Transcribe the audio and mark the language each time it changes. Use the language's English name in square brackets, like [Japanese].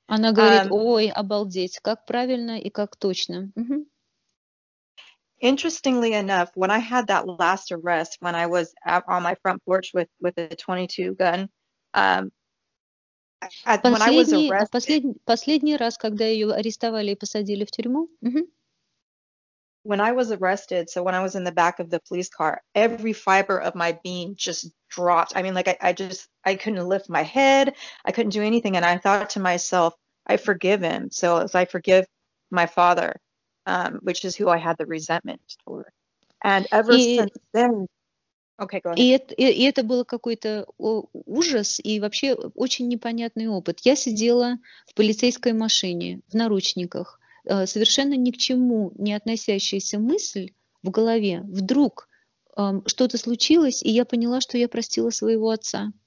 [Russian] Она говорит, ой, обалдеть, как правильно и как точно. [English] Interestingly enough, when I had that last arrest, when I was out on my front porch with a 22 gun, when I was arrested, [Russian] последний раз, когда ее арестовали и посадили в тюрьму. [English] When I was arrested, so when I was in the back of the police car, every fiber of my being just dropped. I mean, like I couldn't lift my head, I couldn't do anything, and I thought to myself, I forgive him. So as I forgive my father, which is who I had the resentment toward. And ever since then, okay, go ahead. [Russian] И это был какой-то ужас и вообще очень непонятный опыт. Я сидела в полицейской машине в наручниках. Совершенно ни к чему не относящаяся мысль в голове, вдруг что-то случилось, и я поняла, что я простила своего отца.